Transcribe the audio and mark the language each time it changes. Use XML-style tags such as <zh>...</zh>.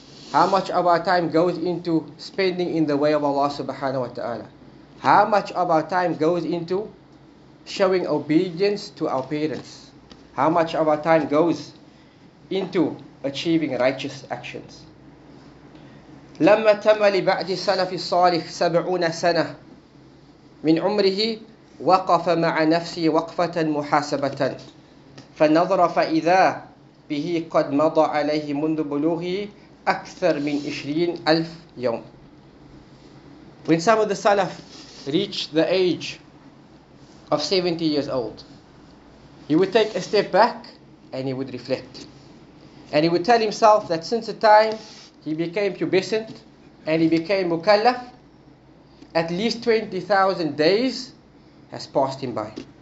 <en>How much of our time goes into spending in the way of Allah subhanahu wa ta'ala? How much of our time goes into showing obedience to our parents? How much of our time goes into achieving righteous actions?</en> <ar>لما تم لبعض السلف الصالح سبعون سنة من عمره وقف مع نفسه وقفة محاسبة فنظر فإذا به قد مضى عليه منذ بلوغه أكثر من 20,000 يوم.</ar> <en>When some of the Salaf reached the age of 70 years old, he would take a step back and he would reflect. And he would tell himself that since the time he became pubescent and he became mukallaf, at least 20,000 days has passed him by.</en>